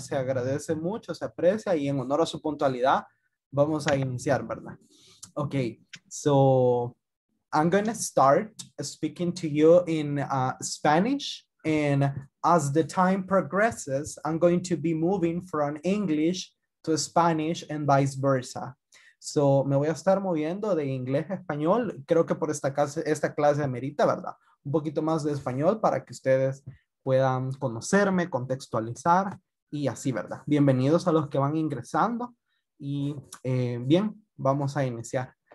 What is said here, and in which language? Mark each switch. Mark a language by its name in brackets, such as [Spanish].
[Spanish] Se agradece mucho, se aprecia y en honor a su puntualidad, vamos a iniciar, ¿verdad? [English] Okay, so I'm going to start speaking to you in Spanish. And as the time progresses, I'm going to be moving from English to Spanish and vice versa. [Spanish] So me voy a estar moviendo de inglés a español. Creo que por esta clase amerita, ¿verdad? Un poquito más de español para que ustedes puedan conocerme, contextualizar y así, ¿verdad? Bienvenidos a los que van ingresando y bien. Vamos a iniciar.